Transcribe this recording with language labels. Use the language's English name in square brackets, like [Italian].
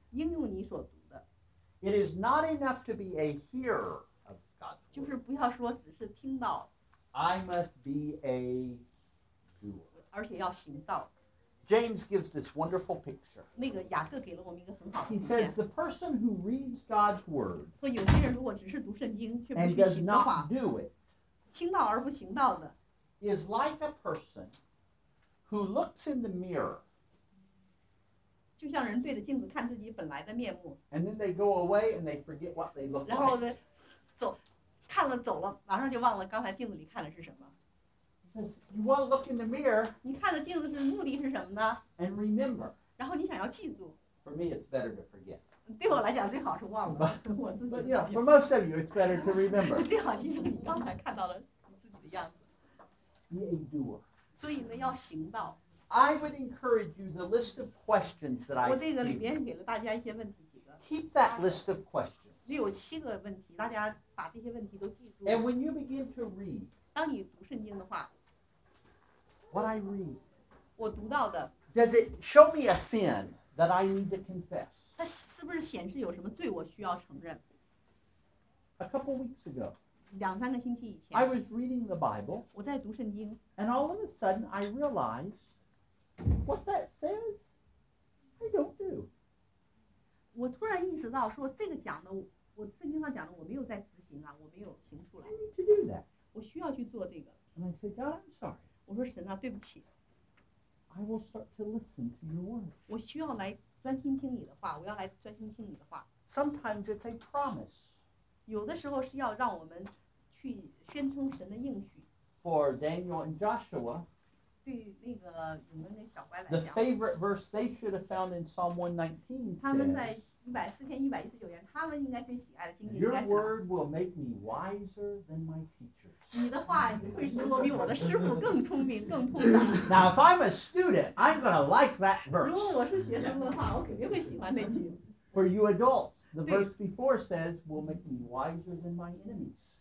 [Chinese] 应用你所读的。 [English] It is not enough to be a hearer of God's voice. [Chinese] 就是不要说只是听到。 [English] I must be a doer. [Chinese] 而且要行道。 [English] James gives this wonderful picture. [Chinese] 那个雅各给了我们一个很好的图片。 [English] He says the person who reads God's word. [Chinese] 说有些人如果只是读圣经却不去行的话。 [English] And does not do it. [Chinese] 听到而不行道的。 [English] Is like a person who looks in the mirror. [Chinese] 就像人对着镜子看自己本来的面目。 [English] And then they go away and they forget what they look like. [Chinese] 然后呢，走，看了走了，马上就忘了刚才镜子里看的是什么。 [English] You want to look in the mirror. [Chinese] 你看的镜子是目的是什么呢 [English] ？And remember. [Chinese] 然后你想要记住。 [English] For me, it's better to forget. [Chinese] 对我来讲，最好是忘了。 [English] But yeah, for most of you, it's better to remember. [Chinese] 最好记住你刚才看到了自己的样子。 [English] Be a doer. [Chinese] 所以呢，要行道。 [English] I would encourage you the list of questions that I. [Chinese] 我这个里边给了大家一些问题几个。 [English] Keep that list of questions. [Chinese] 这有七个问题，大家把这些问题都记住。 [English] And when you begin to read. [Chinese] 当你读圣经的话。 [English] What I read. [Chinese] 我读到的。 [English] Does it show me a sin that I need to confess? [Chinese] 它是不是显示有什么罪我需要承认 [English] ？A couple weeks ago. [Chinese] 两三个星期以前。 [English] I was reading the Bible. [Chinese] 我在读圣经。 [English] And all of a sudden, I realized What that says, I don't do. [Chinese] 我突然意识到说这个讲的我圣经上讲的我没有在执行啊，我没有行出来。 [English] I need to do that. [Chinese] 我需要去做这个。 [English] And I say, God, I'm sorry. [Chinese] 我说神啊，对不起。 [English] I will start to listen to your word. [Chinese] 我需要来专心听你的话，我要来专心听你的话。 [English] Sometimes it's a promise. [Chinese] 有的时候是要让我们去宣称神的应许。 [English] For Daniel and Joshua, [Chinese] 对那个你们那小乖来讲 [English] the favorite verse they should have found in Psalm 119 says, [Chinese] 他们在104篇119篇，他们应该最喜爱的经节。 [English] Your word will make me wiser than my teachers. [Chinese] 你的话会使我比我的师傅更聪明、更通达。 [English] Now, if I'm a student, I'm going to like that verse. [Chinese] 如果我是学生的话，我肯定会喜欢那句。 [English] For you adults, the verse before says, will make me wiser than my enemies.